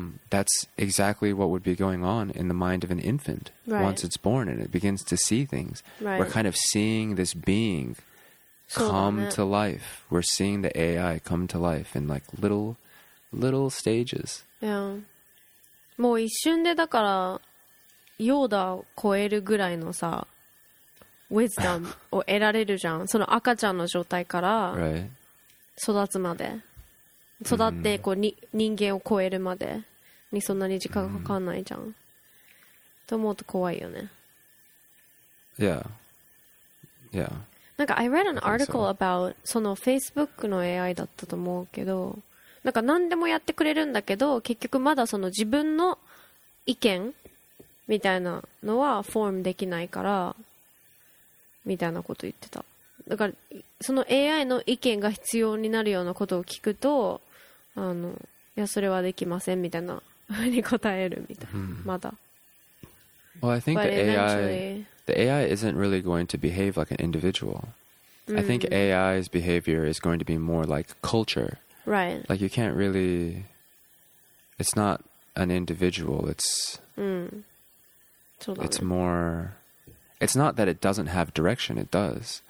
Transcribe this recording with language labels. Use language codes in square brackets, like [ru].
[en] That's exactly what would be going on in the mind of an infant once it's born and it begins to see things. Right. We're kind of seeing this being come to life. We're seeing the AI come to life in like little stages. Yeah. [ja] もう一瞬でだからヨーダを超えるぐらいのさ、ウィズダムを得られるじゃん。その赤ちゃんの状態から育つまで、育ってこうに人間を超えるまでにそんなに時間がかかんないじゃん。と思うと怖いよね。 [en] Yeah, yeah. [ja] なんか [en] I read an article about [ja] その Facebook の AI だったと思うけど。なんか何でもやってくれるんだけど結局まだその自分の意見みたいなのはフォームできないからみたいなこと言ってた。だからその AI の意見が必要になるようなことを聞くと、あの、いやそれはできませんみたいなふうに答えるみたいな、まだ。 [en] Well, I think the AI isn't really going to behave like an individual. I think AI's behavior is going to be more like culture. Right. Like you can't really, it's not an individual, it's more, it's not that it doesn't have direction, it does.